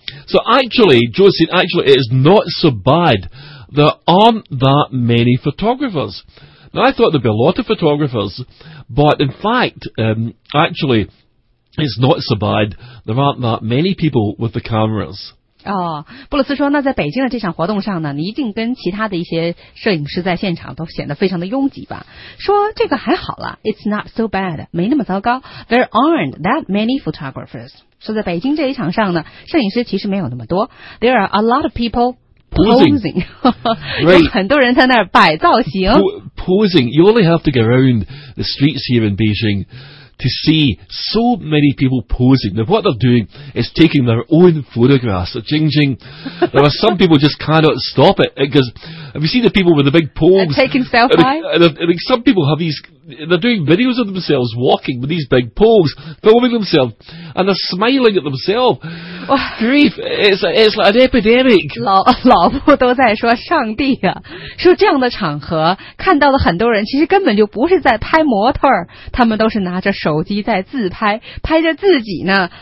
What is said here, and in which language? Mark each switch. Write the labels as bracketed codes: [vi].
[en] So actually, Josephine, actually it is not so bad. There aren't that many photographers. Now I thought there'd be a lot of photographers, but in fact, actually, it's not so bad. There aren't that many people with the cameras. [zh] 哦，布鲁斯说，那在北京的这场活动上呢，你一定跟其他的一些摄影师在现场都显得非常的拥挤吧？说这个还好了 ， [en] It's not so bad， [zh] 没那么糟糕。 [en] There aren't that many photographers。 [zh] 说在北京这一场上呢，摄影师其实没有那么多。 [en] There are a lot of people posing， [zh] 有很多人在那儿摆造型。 [en] Posing， you only have to go around the streets here in Beijing. To see so many people posing. Now, what they're doing is taking their own photographs. Jing Jing. There are some people just cannot stop it. Because have you seen the people with the big poles? Taking selfies? And some people have these, they're doing videos of themselves walking with these big poles, filming themselves, and they're smiling at themselves. Oh, grief, it's like an epidemic. [zh] 老布都在说上帝啊，说这样的场合看到的很多人其实根本就不是在拍模特，他们都是拿着手机在自拍，拍着自己呢。